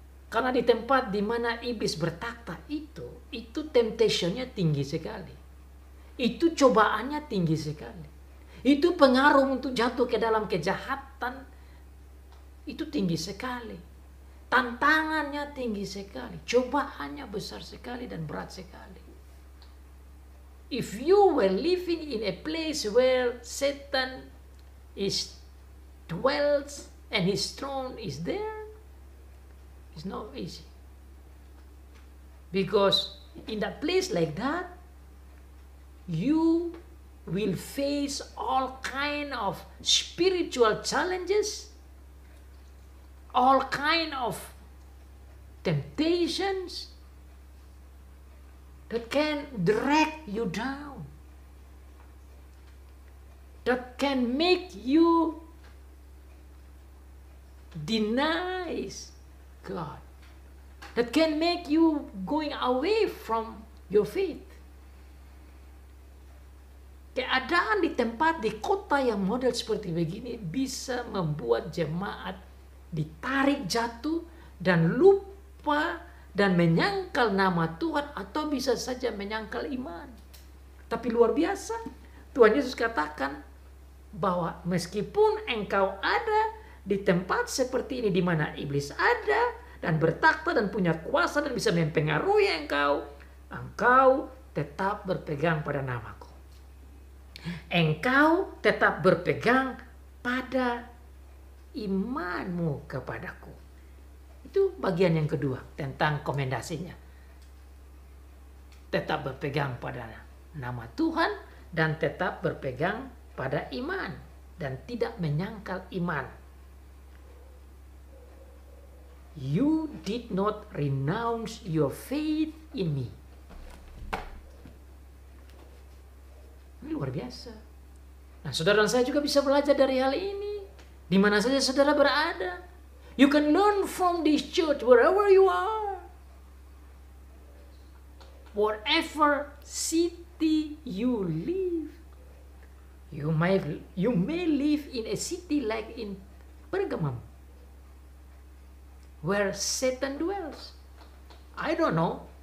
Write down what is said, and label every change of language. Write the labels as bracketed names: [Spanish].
[Indonesian] Karena di tempat di mana iblis bertakhta itu temptation-nya tinggi sekali. Itu cobaannya tinggi sekali. Itu pengaruh untuk jatuh ke dalam kejahatan itu tinggi sekali. Tantangannya tinggi sekali, cobaannya besar sekali dan berat sekali. [English] If you were living in a place where Satan is dwells and his throne is there, it's not easy. Because in that place like that, you will face all kind of spiritual challenges, all kind of temptations that can drag you down, that can make you deny God, that can make you going away from your faith. [Indonesian] Keadaan di tempat, di kota yang model seperti begini bisa membuat jemaat ditarik jatuh dan lupa dan menyangkal nama Tuhan atau bisa saja menyangkal iman. Tapi luar biasa, Tuhan Yesus katakan bahwa meskipun engkau ada di tempat seperti ini di mana iblis ada dan bertakhta dan punya kuasa dan bisa mempengaruhi engkau, engkau tetap berpegang pada nama. Engkau tetap berpegang pada imanmu kepadaku. Itu bagian yang kedua tentang komendasinya. Tetap berpegang pada nama Tuhan dan tetap berpegang pada iman dan tidak menyangkal iman. [English] You did not renounce your faith in me. [Indonesian] Ini luar biasa. Nah, saudara dan saya juga bisa belajar dari hal ini. Di mana saja saudara berada. [English] You can learn from this church wherever you are. Whatever city you live. You may live in a city like in Pergamum, where Satan dwells. I don't know.